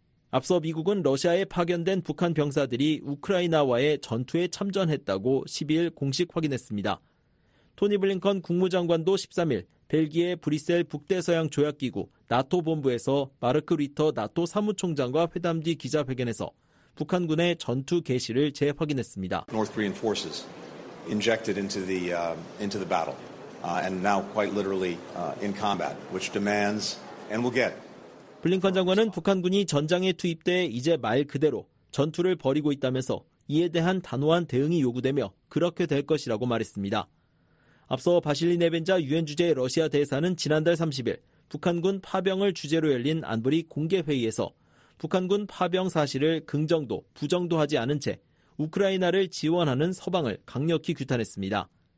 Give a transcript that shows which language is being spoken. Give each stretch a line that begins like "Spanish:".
Korean: 앞서 미국은 러시아에 파견된 북한 병사들이 우크라이나와의 전투에 참전했다고 12일 공식 확인했습니다. 토니 블링컨 국무장관도 13일 벨기에 브뤼셀 북대서양 조약기구 나토 본부에서 마르크 리터 나토 사무총장과 회담 뒤 기자회견에서 북한군의 전투 개시를 재확인했습니다.
English: North Korean forces injected into the battle, and now quite literally in combat, which demands and will get.
Korean: 블링컨 장관은 북한군이 전장에 투입돼 이제 말 그대로 전투를 벌이고 있다면서 이에 대한 단호한 대응이 요구되며 그렇게 될 것이라고 말했습니다. 앞서 바실리 네벤자 유엔 주재 러시아 대사는 지난달 30일 북한군 파병을 주제로 열린 안보리 공개 회의에서 북한군 파병 사실을 긍정도 부정도 하지 않은 채 우크라이나를 지원하는 서방을 강력히 규탄했습니다.